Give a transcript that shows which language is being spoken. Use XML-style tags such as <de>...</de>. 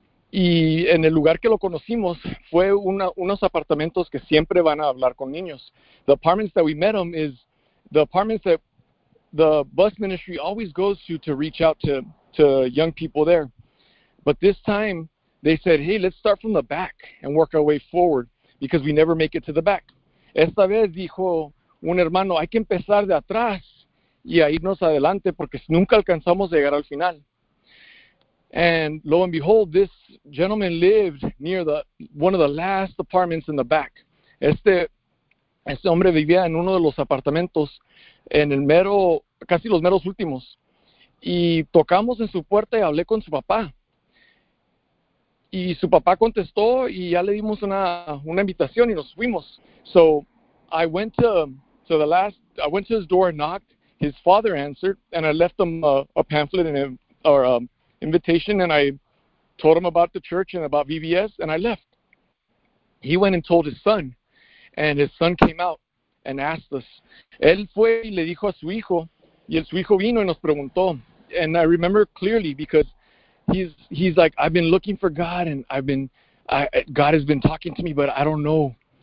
<es>Y en el lugar que lo conocimos fue unos apartamentos que siempre van a hablar con niños.</es> <en>The apartments that we met him is the apartments that the bus ministry always goes to reach out to young people there. But this time they said, hey, let's start from the back and work our way forward because we never make it to the back.</en> <es>Esta vez dijo un hermano, hay que empezar de atrás y a irnos adelante porque nunca alcanzamos a llegar al final.</es> <en>And lo and behold, this gentleman lived near one of the last apartments in the back.</en> <es>Este hombre vivía en uno de los apartamentos en el mero, casi los meros últimos. Y tocamos en su puerta y hablé con su papá. Y su papá contestó y ya le dimos una invitación y nos fuimos.</es> <en>So I went to his door and knocked. His father answered and I left him a pamphlet and invitation, and I told him about the church and about VBS, and I left. He went and told his son, and his son came out and asked us.</en> <es>Él fue y le dijo a su hijo, y su hijo vino y nos preguntó.</es> <en>And I remember clearly because he's like, I've been looking for God, and God has been talking to me, but I don't know.</en>